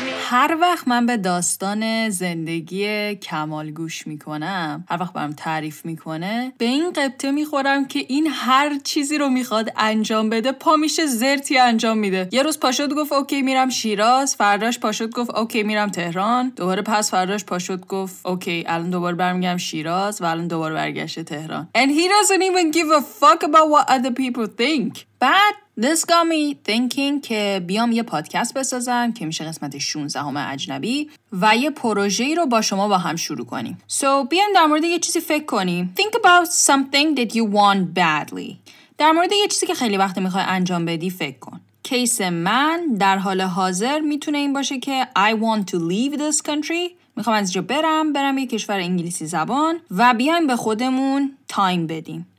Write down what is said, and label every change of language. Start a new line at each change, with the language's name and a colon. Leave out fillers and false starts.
Persian: هر وقت من به داستان زندگی کمال گوش میکنم، هر وقت برام تعریف میکنه، به این قبطه میخورم که این هر چیزی رو میخواد انجام بده پا میشه زرتی انجام میده. یه روز پاشد گفت اوکی میرم شیراز، فرداش پاشد گفت اوکی میرم تهران، دوباره پس فرداش پاشد گفت اوکی الان دوباره برمیگم شیراز و الان دوباره برگشته تهران.
English: And he doesn't even give a fuck about what other people think.
Persian: بعد
English: This got me thinking
Persian: که بیام یه پادکست بسازم که میشه قسمت 16 اجنبی و یه پروژه‌ای رو با شما با هم شروع کنیم. So بیام در مورد یه چیزی فکر کنیم.
English: Think about something that you want badly.
Persian: در مورد یه چیزی که خیلی وقت میخوای انجام بدی فکر کن. کیس من در حال حاضر میتونه این باشه که
English: I want to leave this country.
Persian: میخوام از اینجا برم یه کشور انگلیسی زبان و بیام به خودمون تایم بدیم.